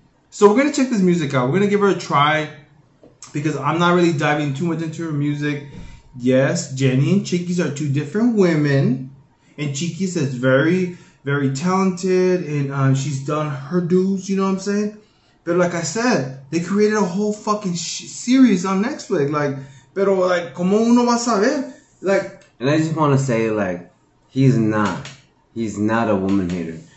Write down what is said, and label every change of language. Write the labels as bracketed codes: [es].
[en] So we're going to check this music out. We're going to give her a try. Because I'm not really diving too much into her music. Yes, Jenny and Chiquis are two different women. And Chiquis is very, very talented. And she's done her dues, you know what I'm saying? But like I said, they created a whole fucking series on Netflix. Like, [es] pero [en] like, [es] ¿cómo uno va a saber? [en] Like, and I just want to say, like, he's not a woman hater.